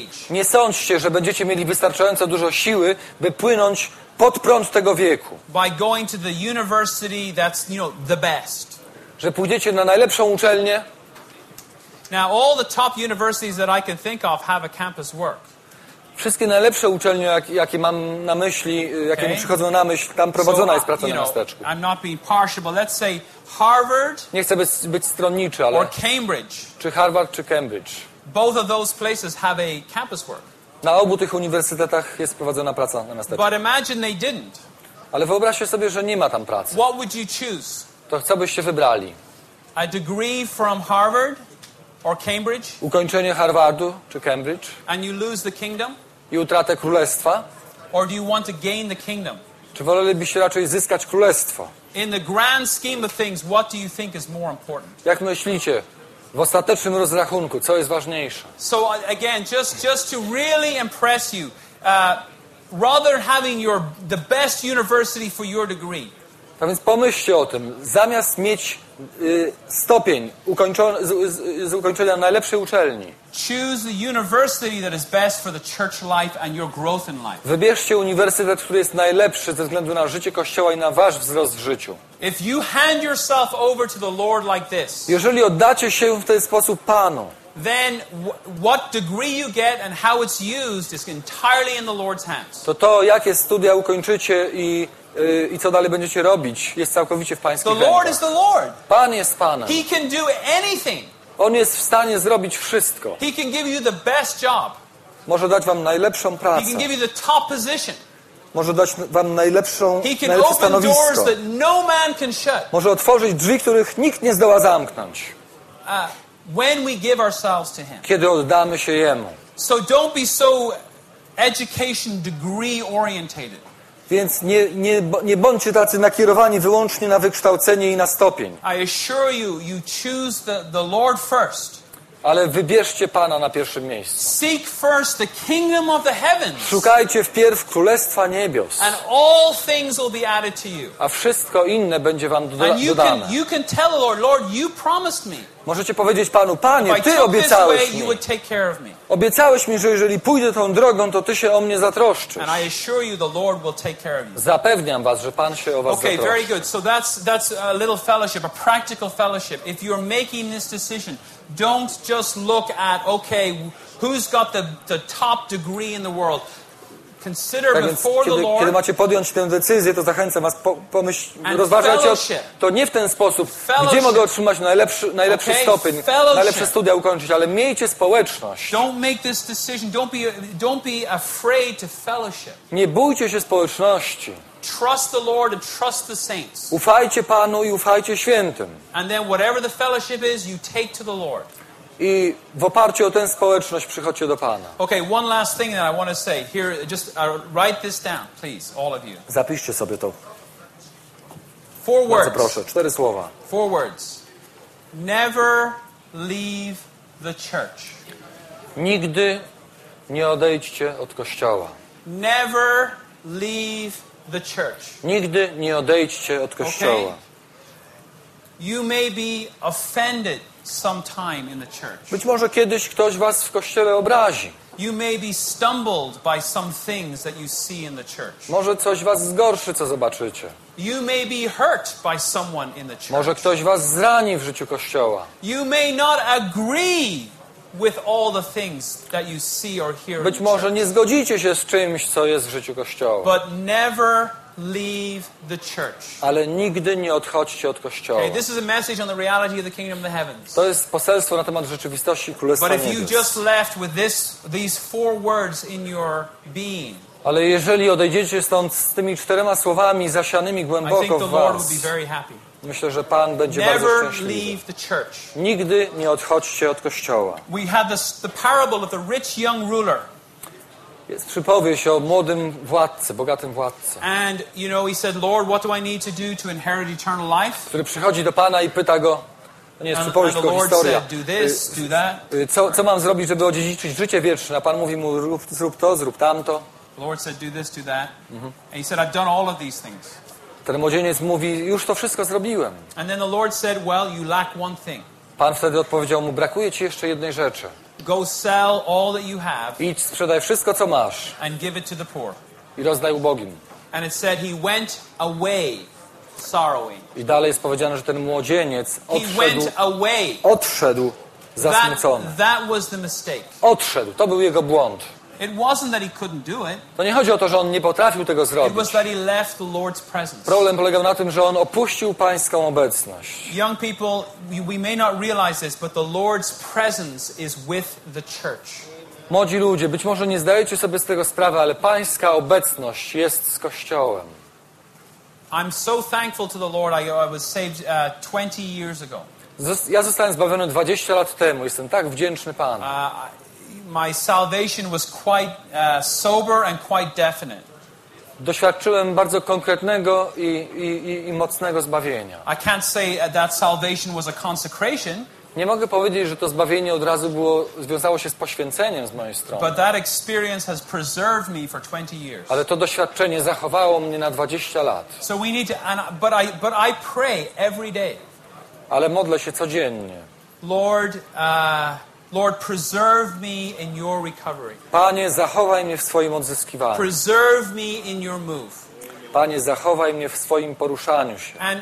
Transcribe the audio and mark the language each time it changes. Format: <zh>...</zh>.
<pl>Nie sądźcie, że będziecie mieli wystarczająco dużo siły, by płynąć pod prąd tego wieku.</pl> <en>By going to the university that's, you know, the best.</en> <pl>Że pójdziecie na najlepszą uczelnię.</pl> <en>Now all the top universities that I can think of have a campus work.</en> <pl>Wszystkie najlepsze uczelnie, jakie mam na myśli, jakie mi przychodzą na myśl, tam prowadzona jest praca na miasteczku.</pl> <en>I'm not being partial, but let's say Harvard.</en> <pl>Nie chcę być stronniczy, ale</pl> <en>or Cambridge.</en> <pl>Czy Harvard czy Cambridge?</pl> <en>Both of those places have a campus work.</en> <pl>Na obu tych uniwersytetach jest prowadzona praca na miasteczku.</pl> <en>But imagine they didn't.</en> <pl>Ale wyobraźcie sobie, że nie ma tam pracy.</pl> <en>What would you choose?</en> <pl>To co byście wybrali?</pl> <en>A degree from Harvard? Or Cambridge?</en> <pl>Ukończenie Harvardu czy Cambridge?</pl> <en>And you lose the kingdom?</en> <pl>I utratę królestwa?</pl> <en>Or do you want to gain the kingdom?</en> <pl>Czy wolelibyście raczej zyskać królestwo?</pl> <en>In the grand scheme of things, what do you think is more important?</en> <pl>Jak myślicie, w ostatecznym rozrachunku, co jest ważniejsze?</pl> <en>So again, just to really impress you, rather having the best university for your degree.</en> <pl>Tak więc pomyślcie o tym, zamiast mieć stopień z ukończenia najlepszej uczelni.</pl> <en>Choose the university that is best for the church life and your growth in life.</en> <pl>Wybierzcie uniwersytet, który jest najlepszy ze względu na życie Kościoła i na wasz wzrost w życiu.</pl> <en>If you hand yourself over to the Lord like this.</en> <pl>Jeżeli oddacie się w ten sposób Panu.</pl> <en>then what degree you get and how it's used is entirely in the Lord's hands.</en> <pl>To to, jakie studia ukończycie i co dalej będziecie robić, jest całkowicie w Pańskich rękach.</pl> <en>The Lord is the Lord.</en> <pl>Pan jest Panem.</pl> <en>He can do anything.</en> <pl>On jest w stanie zrobić wszystko.</pl> <en>He can give you the best job.</en> <pl>Może dać wam najlepszą pracę.</pl> <en>He can give you the top position.</en> <pl>Może dać wam najlepszą, najlepsze stanowisko.</pl> <en>Doors that no man can shut.</en> <pl>Może otworzyć drzwi, których nikt nie zdoła zamknąć.</pl> <en>When we give ourselves to him.</en> <pl>Kiedy oddamy się Jemu.</pl> <en>So don't be so education degree orientated.</en> <pl>Więc nie bądźcie tacy nakierowani wyłącznie na wykształcenie i na stopień.</pl> <en>I assure you, you choose the Lord first.</en> <pl>Ale wybierzcie Pana na pierwszym miejscu.</pl> <en>Seek first the kingdom of the heavens.</en> <pl>Szukajcie wpierw Królestwa Niebios.</pl> <en>And all things will be added to you.</en> <pl>A wszystko inne będzie wam dodane.</pl> <en>You can tell the Lord, Lord, you promised me.</en> <pl>Możecie powiedzieć Panu, Panie, Ty obiecałeś mi.</pl> <en>You would take care of me.</en> <pl>Obiecałeś mi, że jeżeli pójdę tą drogą, to Ty się o mnie zatroszczysz.</pl> <en>And I assure you, the Lord will take care of you.</en> <pl>Zapewniam was, że Pan się o was zatroszczy.</pl> <en>Okay, very good. So that's a little fellowship, a practical fellowship. If you're making this decision, don't just look at, okay, who's got the top degree in the world. Consider</en> <pl>tak</pl> <en>before the Lord.</en> <pl>Kiedy macie podjąć tę decyzję, to zachęcam was, rozważajcie to nie w ten sposób,</pl> <en>fellowship.</en> <pl>Gdzie mogę otrzymać najlepszy</pl> <en>okay.</en> <pl>stopień,</pl> <en>fellowship.</en> <pl>Najlepsze studia ukończyć, ale miejcie społeczność.</pl> <en>Don't make this decision. Don't be afraid to fellowship.</en> <pl>Nie bójcie się społeczności.</pl> <en>Trust the Lord and trust the saints.</en> <pl>Ufajcie Panu i ufajcie świętym.</pl> <en>And then whatever the fellowship is, you take to the Lord.</en> <pl>I w oparciu o tę społeczność przychodźcie do Pana.</pl> <en>Okay, one last thing that I want to say. Here, just write this down, please, all of you.</en> <pl>Zapiszcie sobie to.</pl> <en>Four words.</en> <pl>Bardzo proszę, cztery słowa.</pl> <en>Four words. Never leave the church.</en> <pl>Nigdy nie odejdźcie od Kościoła.</pl> <en>Never leave the church.</en> <pl>Nigdy nie odejdźcie od Kościoła.</pl> <en>Okay. You may be offended sometime in the church.</en> <pl>Być może kiedyś ktoś was w kościele obrazi.</pl> <en>You may be stumbled by some things that you see in the church.</en> <pl>Może coś was zgorszy, co zobaczycie.</pl> <en>You may be hurt by someone in the church.</en> <pl>Może ktoś was zrani w życiu kościoła.</pl> <en>You may not agree with all the things that you see or hear.</en> <pl>Być może nie zgodzicie się z czymś, co jest w życiu kościoła.</pl> <en>But never leave the church.</en> <pl>Ale nigdy nie odchodźcie od kościoła.</pl> <en>Okay, this is a message on the reality of the kingdom of the heavens.</en> <pl>To jest poselstwo na temat rzeczywistości Królestwa Niebios.</pl> <en>But if you just left with these four words in your being.</en> <pl>Ale jeżeli odejdziecie stąd z tymi czterema słowami zasianymi głęboko w was.</pl> <en>I think the Lord would be very happy.</en> <pl>Myślę, że Pan będzie</pl> <en>Never</en> <pl>bardzo szczęśliwy.</pl> <en>Leave the church.</en> <pl>Nigdy nie odchodźcie od kościoła.</pl> <en>We have the parable of the rich young ruler.</en> <pl>Jest przypowieść o młodym władcy, bogatym władcy.</pl> <en>And you know, he said, Lord, what do I need to do to inherit eternal life?</en> <pl>Który przychodzi do Pana i pyta go. To nie jest przypowieść, tylko historia.</pl> <en>Said, do this, do that.</en> <pl>Co mam zrobić, żeby odziedziczyć życie wieczne? A Pan mówi mu, zrób to, zrób tamto.</pl> <en>The Lord said, do this, do that. And he said, I've done all of these things.</en> <pl>Ten młodzieniec mówi, już to wszystko zrobiłem.</pl> <en>And then the Lord said, well, you lack one thing.</en> <pl>Pan wtedy odpowiedział mu, brakuje ci jeszcze jednej rzeczy.</pl> <en>Go sell all that you have.</en> <pl>Idź, sprzedaj wszystko, co masz.</pl> <en>And give it to the poor.</en> <pl>I rozdaj ubogim.</pl> <en>And it said he went away sorrowing.</en> <pl>I dalej jest powiedziane, że ten młodzieniec odszedł.</pl> <en>He went away.</en> <pl>Odszedł zasmucony.</pl> <en>That was the mistake.</en> <pl>Odszedł. To był jego błąd.</pl> <en>It wasn't that he couldn't do it.</en> <pl>To nie chodzi o to, że on nie potrafił tego zrobić.</pl> <en>It was that he left the Lord's presence.</en> <pl>Problem polegał na tym, że on opuścił Pańską obecność.</pl> <en>Young people, we may not realize this, but the Lord's presence is with the church.</en> <pl>Młodzi ludzie, być może nie zdajecie sobie z tego sprawy, ale Pańska obecność jest z Kościołem.</pl> <en>I'm so thankful to the Lord. I was saved 20 years ago.</en> <pl>Ja zostałem zbawiony 20 lat temu. Jestem tak wdzięczny Panu.</pl> <en>My salvation was quite sober and quite definite.</en> <pl>Doświadczyłem bardzo konkretnego i mocnego zbawienia.</pl> <en>I can't say that salvation was a consecration.</en> <pl>Nie mogę powiedzieć, że to zbawienie od razu było związało się z poświęceniem z mojej strony.</pl> <en>But that experience has preserved me for 20 years.</en> <pl>Ale to doświadczenie zachowało mnie na 20 lat.</pl> <en>So we need to, but I pray every day.</en> <pl>Ale modlę się codziennie.</pl> <en>Lord, Lord, preserve me in your recovery.</en> <pl>Panie, zachowaj mnie w swoim odzyskiwaniu.</pl> <en>Preserve me in your move.</en> <pl>Panie, zachowaj mnie w swoim poruszaniu się.</pl>